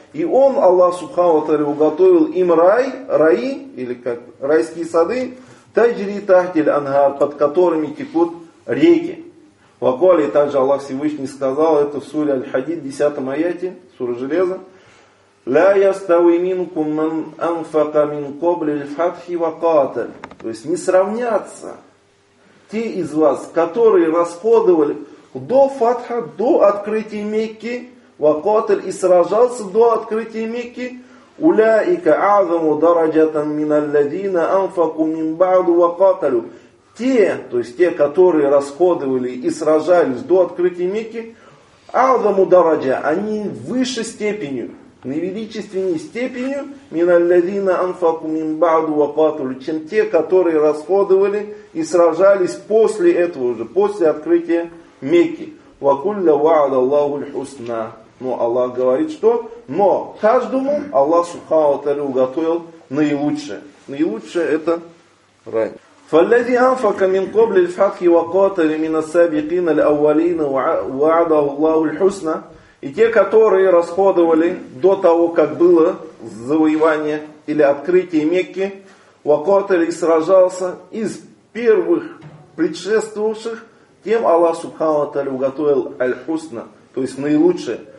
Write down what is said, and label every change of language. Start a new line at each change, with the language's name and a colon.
Russian: И он, Аллах Субхану ва Тааля, уготовил им рай, раи, или как райские сады,
Arabic: таджри тахтиль анхар,
Russian: под которыми текут реки. В Акуале также Аллах Всевышний сказал, это в суре Аль-Хадид, 10-м аяте, сура железа.
Arabic: لا يستوي منكم من أنفق من قبل الفتح وقاتل.
Russian: То есть не сравнятся те из вас, которые расходовали до фатха, до открытия Мекки,
Arabic: وقاتل
Russian: и сражался до открытия Мекки.
Arabic: أولئك أعظم درجة من الذين أنفقوا من بعد وقاتلوا.
Russian: Те, то есть те, которые расходовали и сражались до открытия Мекки,
Arabic: Азаму дараджа,
Russian: они выше степенью, наивеличественней степенью,
Arabic: миналлядина анфаку минбаду вакатулю,
Russian: чем те, которые расходовали и сражались после этого уже, после открытия Мекки.
Arabic: Вакулля ваад Аллаху льхусна.
Russian: Но Аллах говорит, что но каждому Аллах субхану таалу уготовил наилучшее. Наилучшее это рай.
Arabic: فالذي أنفق من قبل الفتح وقاتل من السابقين الأولين وعده الله الحسنى.
Russian: И те, которые расходовали до того, как было завоевание или открытие Мекки,
Arabic: وقاتل
Russian: и сражался из первых предшествовавших, тем Аллах Субхану Тааля уготовил
Arabic: الحسنى,
Russian: то есть наилучшее.